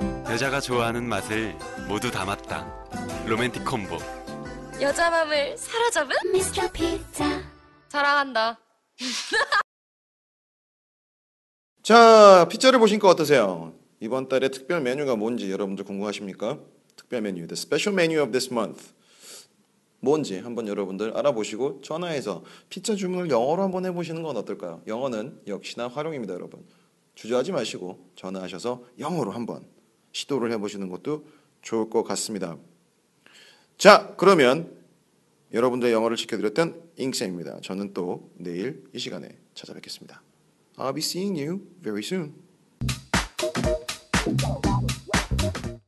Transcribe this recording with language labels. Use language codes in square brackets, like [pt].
[ko] 여자가 좋아하는 맛을 모두 담았다. 로맨틱 콤보. 여자 마음을 사로잡은 미스터 피자. 사랑한다. 자, 피자를 보신 거 어떠세요? 이번 달의 특별 메뉴가 뭔지 여러분들 궁금하십니까? 특별 메뉴, [en] the special menu of this month. [ko] 뭔지 한번 여러분들 알아보시고 전화해서 피자 주문을 영어로 한번 해보시는 건 어떨까요? 영어는 역시나 활용입니다, 여러분. 주저하지 마시고 전화하셔서 영어로 한번 시도를 해보시는 것도 좋을 것 같습니다. 자, 그러면 여러분들의 영어를 지켜드렸던 잉쌤입니다. 저는 또 내일 이 시간에 찾아뵙겠습니다. [en] I'll be seeing you very soon.